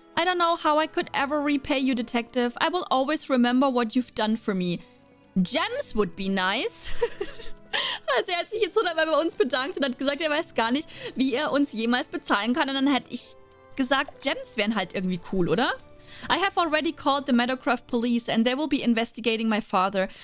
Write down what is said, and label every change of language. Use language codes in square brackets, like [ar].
[en] I don't know how I could ever repay you, Detective. I will always remember what you've done for me. Gems would be nice. [de] Also er hat sich jetzt 100 Mal bei uns bedankt und hat gesagt, er weiß gar nicht, wie er uns jemals bezahlen kann. Und dann hätte ich gesagt, Gems wären halt irgendwie cool, oder? [en] I have already called the Meadowcroft police and they will be investigating my father.